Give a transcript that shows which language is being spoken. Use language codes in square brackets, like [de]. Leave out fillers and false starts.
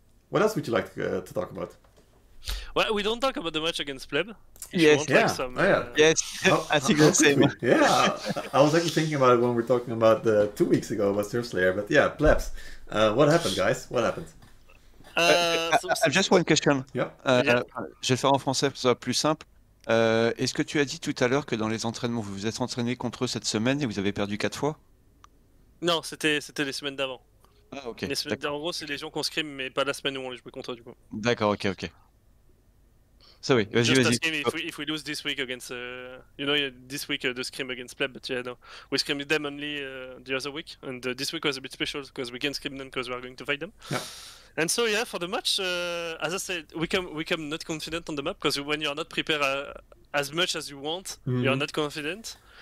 [en] What else would you like to talk about? Well, we don't talk about the match against Pleb. I was actually thinking about it when we were talking about 2 weeks ago about Serf Slayer, but yeah, Plebs. What happened, guys? What happened? Just one question. Yeah. [fr] Je vais le faire en français, ça va plus simple. Est-ce que tu as dit tout à l'heure que dans les entraînements, vous vous êtes entraîné contre eux cette semaine et vous avez perdu 4 fois? Non, c'était les semaines d'avant. Ah, ok. En gros, c'est les gens qu'on scrim, mais pas la semaine où on les joue contre, du coup. D'accord, ok. So oui, vas-y. [en] Just asking if we lose this week against, this week the scrim against Pleb, but yeah, no. We scrimmed them only the other week, and this week was a bit special because we can scrim them because we are going to fight them. Yeah. And so, yeah, for the match, as I said, we come not confident on the map, because when you are not prepared as much as you want, you are not confident.